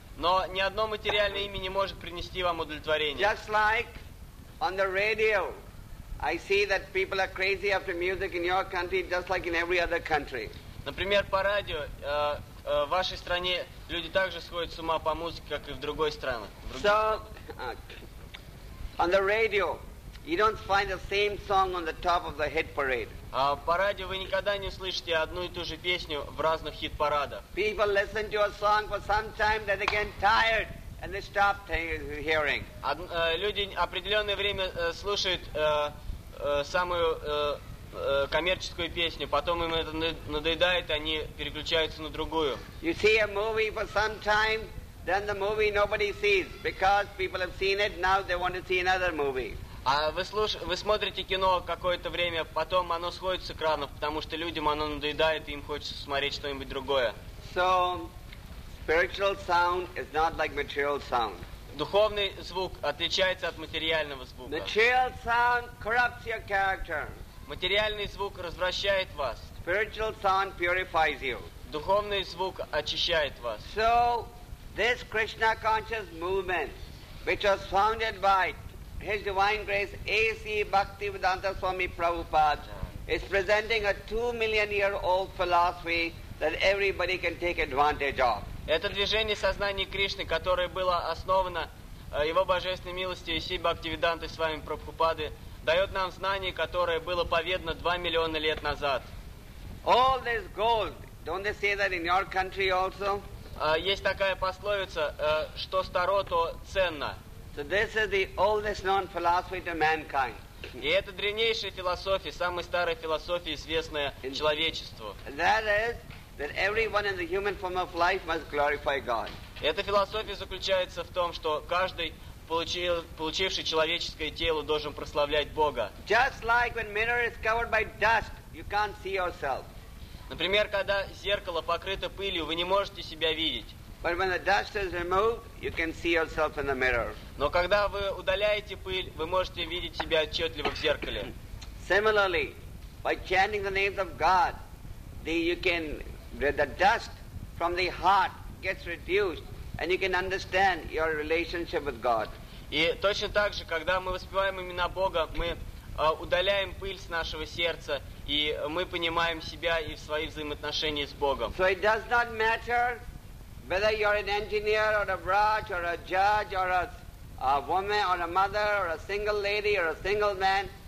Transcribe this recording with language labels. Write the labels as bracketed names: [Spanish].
[Russian] Но ни одно материальное имя не может принести вам удовлетворение. [English] Just like on the radio, I see that people are crazy after music in your country, just like in every other country. [Russian] Например, по радио в вашей стране люди также сходят с ума по музыке, как и в другой стране. [English] So, on the radio, you don't find the same song on the top of the hit parade. [Russian] По радио вы никогда не услышите одну и ту же песню в разных хит-парадах. [English] People listen to a song for some time, then they get tired and they stop hearing. [Russian] Люди определенное время слушают самую коммерческую песню, потом им это надоедает, они переключаются на другую. [English] You see a movie for some time, then the movie nobody sees because people have seen it, now they want to see another movie. [Russian] А вы смотрите кино какое-то время, потом оно сходит с экранов, потому что людям оно надоедает, и им хочется смотреть что-нибудь другое. [English] So, spiritual sound is not like material sound. [Russian] Духовный звук отличается от материального звука. [English] Material sound corrupts your character. [Russian] Материальный звук развращает вас. [English] Spiritual sound purifies you. [Russian] Духовный звук очищает вас. [English] So, this Krishna conscious movement, which was founded by His Divine Grace A.C. Bhaktivedanta Swami Prabhupada is presenting a 2-million-year-old philosophy that everybody can take advantage of. [Russian] Это движение сознания Кришны, которое было основано Его Божественной милостью A.C. Bhaktivedanta Swami Prabhupada, дает нам знание, которое было поведано 2 миллиона лет назад. [English] All this gold, don't they say that in your country also? [Russian] Есть такая пословица, что старо, то ценно. [English] So this is the oldest known philosophy to mankind. [Russian] И это древнейшая философия, самая старая философия, известная человечеству. [English] That is that everyone in the human form of life must glorify God. [Russian] Эта философия заключается в том, что каждый, получивший человеческое тело, должен прославлять Бога. [English] Just like when mirror is covered by dust, you can't see yourself. [Russian] Например, когда зеркало покрыто пылью, вы не можете себя видеть. [English] But when the dust is removed, you can see yourself in the mirror. [Russian] Но когда вы удаляете пыль, вы можете видеть себя отчетливо в зеркале. [English] Similarly, by chanting the names of God, the dust from the heart gets reduced, and you can understand your relationship with God. [Russian] И точно так же, когда мы воспеваем имена Бога, мы удаляем пыль с нашего сердца, и мы понимаем себя и свои взаимоотношения с Богом. [English] So it does not matter whether you're an engineer or a judge or a judge or a woman or a mother or a single lady or a single man.